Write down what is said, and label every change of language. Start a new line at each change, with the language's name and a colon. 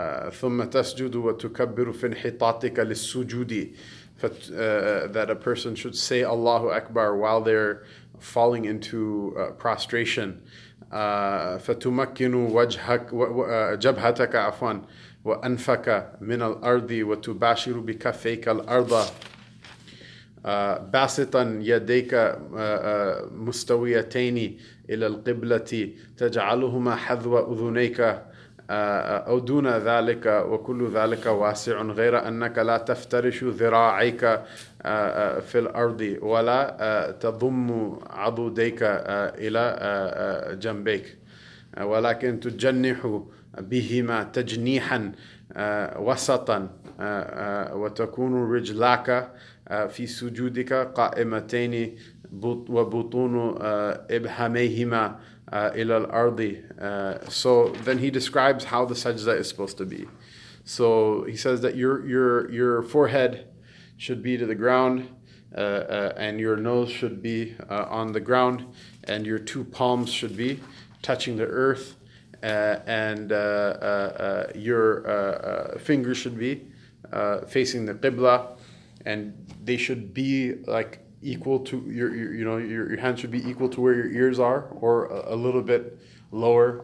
Arabic: ثم تسجد وتكبر في انحطاطك للسجود.
English: That a person should say Allahu Akbar while they're falling into prostration.
Arabic: فَتُمَكِّنُ جَبْهَتَكَ عَفْوًا وَأَنْفَكَ مِنَ الْأَرْضِ وَتُبَاشِرُ بِكَفَيْكَ الْأَرْضَ بَاسِطًا يَدَيْكَ مُسْتَوِيَتَيْنِ إِلَى الْقِبْلَةِ تَجْعَلُهُمَا حَذْوَ أُذُنَيْكَ أو دون ذلك وكل ذلك واسع غير أنك لا تفترش ذراعيك في الأرض ولا تضم عضديك إلى جنبيك ولكن تجنح بهما تجنيحا وسطا وتكون رجلاك في سجودك قائمتين وبطون إبهاميهما إلى الأرض.
English: So then he describes how the sajda is supposed to be. So he says that your forehead should be to the ground, and your nose should be on the ground, and your two palms should be touching the earth, and your fingers should be facing the qibla, and they should be like equal to your hands should be equal to where your ears are, or a little bit lower.